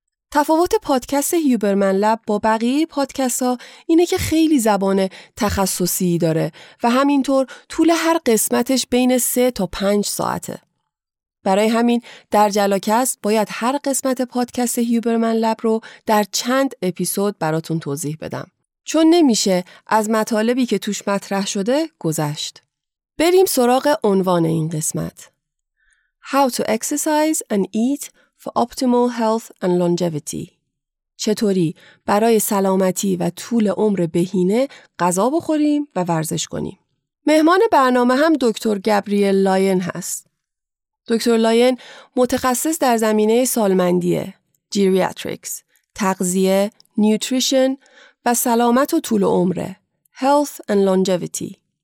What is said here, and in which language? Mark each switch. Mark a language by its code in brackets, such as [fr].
[fa] تفاوت پادکست هیوبرمن لب با بقیه پادکست ها اینه که خیلی زبان تخصصی داره و همینطور طول هر قسمتش بین 3 تا 5 ساعته. برای همین در جلاکست باید هر قسمت پادکست هیوبرمن لب رو در چند اپیزود براتون توضیح بدم، چون نمیشه از مطالبی که توش مطرح شده گذشت. بریم سراغ عنوان این قسمت. [en] How to exercise and eat for optimal health and longevity. [fa] چطوری برای سلامتی و طول عمر بهینه غذا بخوریم و ورزش کنیم. مهمان برنامه هم دکتر گابریل لاین هست. دکتر لاین متخصص در زمینه سالمندیه، جیریاتریکس، تغذیه، نیوتریشن و سلامت و طول عمره، health and longevity.